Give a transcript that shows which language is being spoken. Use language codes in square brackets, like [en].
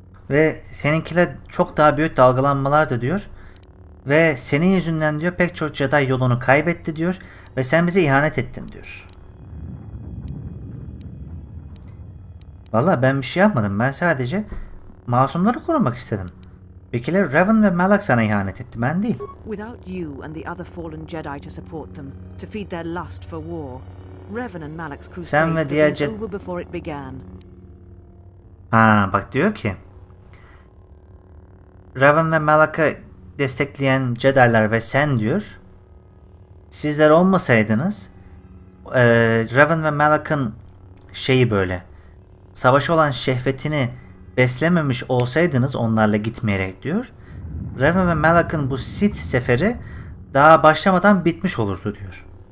[tr] Ve seninkiler çok daha büyük dalgalanmalardı diyor. Ve senin yüzünden diyor pek çok Jedi yolunu kaybetti diyor. Ve sen bize ihanet ettin diyor. Vallahi ben bir şey yapmadım. Ben sadece masumları korumak istedim. Bekiler Raven ve Malak sana ihanet etti. Ben değil. [en] Without you and the other fallen Jedi to support them, to feed their lust for war, Revan and Malak's crusade was over before it began. [tr] Aa, bak diyor ki, Revan ve Malak'ı destekleyen Jedi'lar ve sen diyor, sizler olmasaydınız, Revan ve Malak'ın şeyi böyle, savaşa olan şehvetini beslememiş olsaydınız onlarla gitmeyerek diyor, Revan ve Malak'ın bu Sith seferi daha başlamadan bitmiş olurdu diyor.